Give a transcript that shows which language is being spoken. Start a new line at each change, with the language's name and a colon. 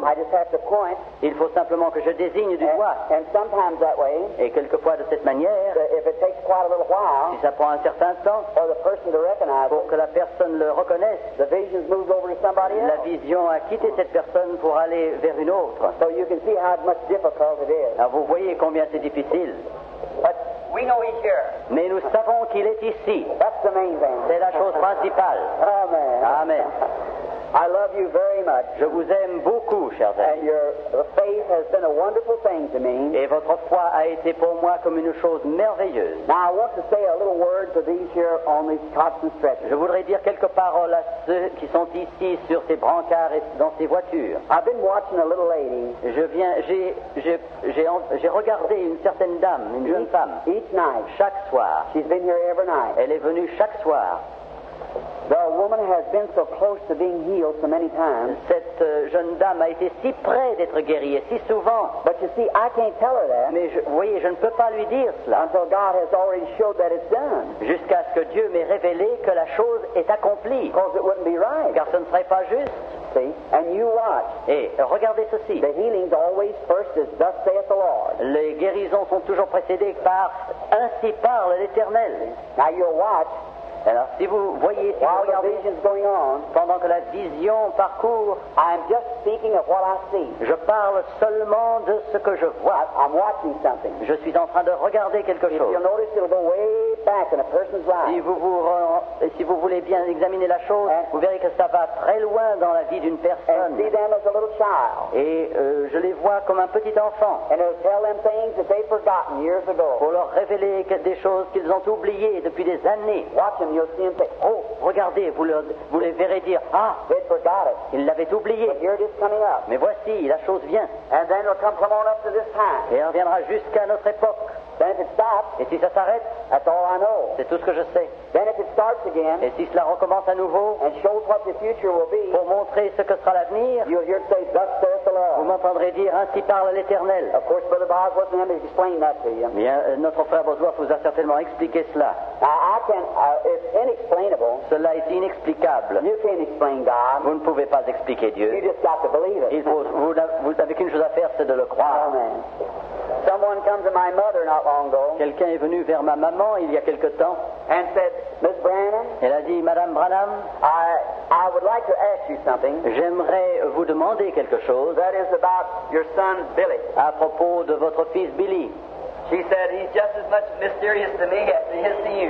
English: I just have to point.
French: Il faut simplement que je désigne du doigt.
English: And sometimes that way.
French: Et quelquefois de cette manière.
English: If it takes quite a little while,
French: si ça prend un certain temps,
English: for the person to recognize,
French: pour que la personne le reconnaisse,
English: the vision moves over to somebody else.
French: La vision a quitté cette personne pour aller vers une autre.
English: So you can see how much difficult it is.
French: Alors vous voyez combien c'est difficile.
English: But we know he's here.
French: Mais nous savons qu'il est ici.
English: That's the main thing.
French: C'est la chose principale.
English: Amen.
French: Amen.
English: I love you very much.
French: Je vous aime beaucoup, chers amis.
English: And your faith has been a wonderful thing to me.
French: Et votre foi a été pour moi comme une chose merveilleuse.
English: Now I want to say a little word to these here on these cots and stretchers.
French: Je voudrais dire quelques paroles à ceux qui sont ici sur ces brancards et dans ces voitures.
English: I've been watching a little lady.
French: J'ai regardé une certaine dame, une jeune femme.
English: Each night.
French: Chaque soir.
English: She's been here every night.
French: Elle est venue chaque soir.
English: The woman has been so close to being healed so many times.
French: Cette jeune dame a été si près d'être guérie si souvent.
English: But you see, I can't tell her that.
French: Mais je ne peux pas lui dire cela.
English: Until God has already showed that it's done.
French: Jusqu'à ce que Dieu m'ait révélé que la chose est accomplie.
English: Because it wouldn't be right.
French: Car ce ne serait pas juste.
English: See? And you watch.
French: Et regardez ceci.
English: The healings always first is thus saith the Lord.
French: Les guérisons sont toujours précédées par ainsi parle l'Éternel.
English: Now you watch.
French: Alors, si vous voyez, si
English: while
French: vous regardez,
English: the vision's going on,
French: pendant que la vision parcourt,
English: I'm just speaking of what I see.
French: Je parle seulement de ce que je vois.
English: I'm watching something.
French: Je suis en train de regarder quelque
English: if
French: chose.
English: You'll notice it'll go way back in a person's life.
French: Si vous voulez bien examiner la chose,
English: and
French: vous verrez que ça va très loin dans la vie d'une personne.
English: And see them as a little child.
French: Et je les vois comme un petit enfant.
English: And it'll tell them things that they've forgotten years ago.
French: Pour leur révéler des choses qu'ils ont oubliées depuis des années.
English: Watch them, you'll see them say,
French: oh, regardez, vous les verrez dire, ah,
English: they'd forgot it.
French: Ils l'avaient oublié.
English: But here it is coming up.
French: Mais voici, la chose vient.
English: And then it'll come on up to this time.
French: Et elle viendra jusqu'à notre époque.
English: Then if it stops,
French: et si ça s'arrête,
English: that's all I know.
French: C'est tout ce que je sais.
English: Then if it starts again,
French: et si cela recommence à nouveau,
English: and shows what the future will be,
French: pour montrer ce que sera l'avenir,
English: you'll hear it say, thus saith the Lord.
French: Vous m'entendrez dire, ainsi parle l'Éternel.
English: Of course, Brother Bosworth and him has explained that to you.
French: Notre frère Bosworth vous a certainement expliqué cela.
English: It's inexplainable.
French: Cela est inexplicable.
English: You can't explain God.
French: Vous ne pouvez pas expliquer Dieu.
English: You just got to believe it.
French: Vous n'avez qu'une chose à faire, c'est de le croire.
English: Amen. Someone comes to my mother not long ago.
French: Quelqu'un est venu vers ma maman il y a quelque temps.
English: And said, Miss Branham.
French: Elle a dit, Madame Branham.
English: I would like to ask you something.
French: J'aimerais vous demander quelque chose.
English: That is about your son Billy.
French: À propos de votre fils Billy.
English: She said he's just as much mysterious to me as he is to you.